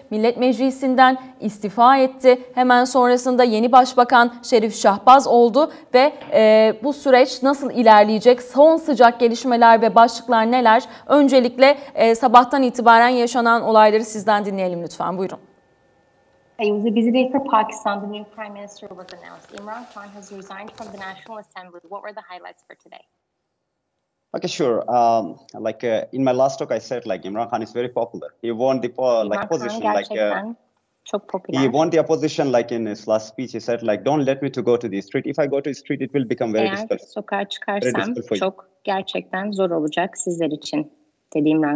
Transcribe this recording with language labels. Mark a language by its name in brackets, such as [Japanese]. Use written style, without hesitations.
[Turkish] Millet Meclisi'nden istifa etti. Hemen sonrasında yeni başbakan Şerif Şahbaz oldu ve bu süreç nasıl ilerleyecek? Son sıcak gelişmeler ve başlıklar neler? Öncelikle sabahtan itibaren yaşanan olayları sizden dinleyelim lütfen. Buyurun. [English] Pakistan'da new prime minister was announced. Imran Khan has resigned from the National Assembly. What were the highlights for today? Okay, sure. In my last talk I said Imran Khan is very popular. He won the opposition [Turkish] çok popüler. [English] He won the opposition in his last speech. He said don't let me to go to the street. If I go to the street it will become very difficult. [Turkish] Eğer sokağa çıkarsam çok gerçekten zor olacak sizler için dedi İmran